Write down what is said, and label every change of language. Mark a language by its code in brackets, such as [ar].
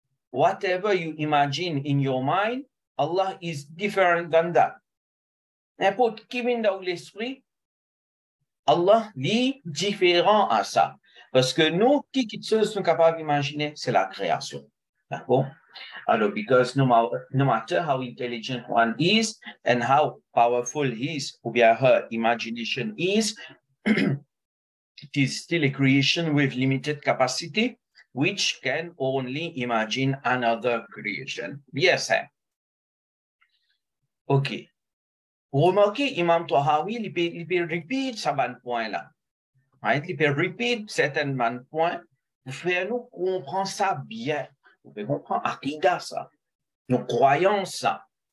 [en] Whatever you imagine in your mind, Allah is different than that. [fr] N'importe qui vient dans l'esprit, Allah dit différent à ça. Parce que nous, qui sommes capables d'imaginer, c'est la création. D'accord? [en] Alors, because no matter how intelligent one is and how powerful his or her imagination is, it is still a creation with limited capacity, which can only imagine another creation. Yes, sir. Ok. [fr] Remarquez, Imam Tahawi, il peut répéter ce point-là. Il peut répéter certains points pour faire nous comprendre ça bien. Vous pouvez comprendre Akida, ça. Nous croyons ça.